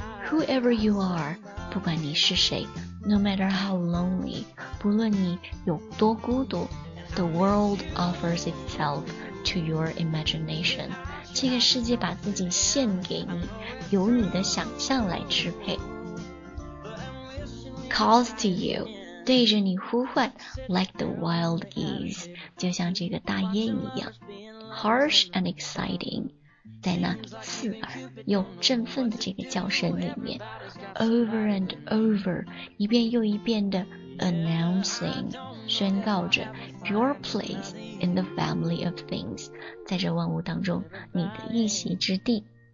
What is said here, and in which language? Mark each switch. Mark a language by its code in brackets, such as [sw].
[en] Whoever you are， [zh] 不管你是谁， [en] No matter how lonely， [zh] 不论你有多孤独， [en] The world offers itself to your imagination， [zh] 这个世界把自己献给你，由你的想象来支配。 [en] Calls to you， [zh] 对着你呼唤， [en] Like the wild geese， [zh] 就像这个大雁一样。 [en] Harsh and exciting， [zh] 在那刺耳又振奋的这个叫声里面 [en] over and over， [zh] 一遍又一遍的 announcing， 宣告着 [en] your place in the family of things， [zh] 在这万物当中你的一席之地。